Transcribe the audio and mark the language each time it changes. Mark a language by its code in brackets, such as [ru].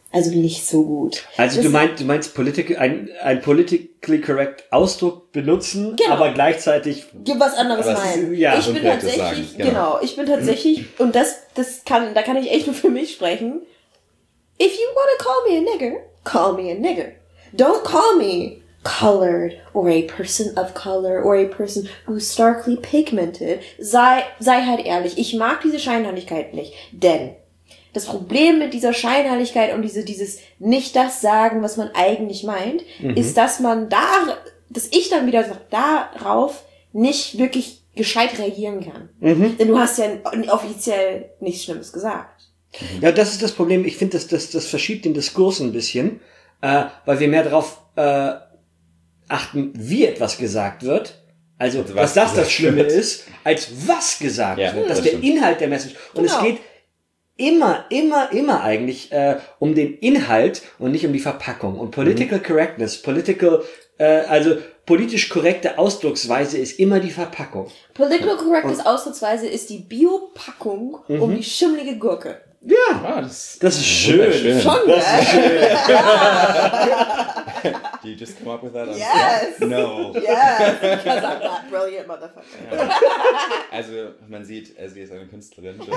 [de] Also nicht so gut. Also du meinst ein politically correct Ausdruck benutzen, genau. Aber gleichzeitig was anderes meinen. Ja, ich bin tatsächlich, genau, ich bin tatsächlich, und da kann ich echt nur für mich sprechen. [en] If you wanna call me a nigger, call me a nigger. Don't call me colored or a person of color or a person who's starkly pigmented. [de] Sei halt ehrlich, ich mag diese Scheinheiligkeit nicht, denn das Problem mit dieser Scheinheiligkeit und dieses nicht das sagen, was man eigentlich meint, ist, dass ich dann wieder darauf nicht wirklich gescheit reagieren kann. Mhm. Denn du hast ja offiziell nichts Schlimmes gesagt. Ja, das ist das Problem. Ich finde, das verschiebt den Diskurs ein bisschen, weil wir mehr darauf achten, wie etwas gesagt wird. Also, was das gesagt. Das Schlimme ist, als was gesagt wird. Das ist der Inhalt der Message. Und genau. Es geht immer eigentlich um den Inhalt und nicht um die Verpackung. Und political correctness, also politisch korrekte Ausdrucksweise ist immer die Verpackung. Political correctness Ausdrucksweise ist die Biopackung um die schimmelige Gurke. Ja, das ist schön. Schon, ne? Das ist schön. [en] Do you just come up with that? Yes. No. Yes, because I'm that brilliant motherfucker. [de] Also, man sieht, sie ist eine Künstlerin.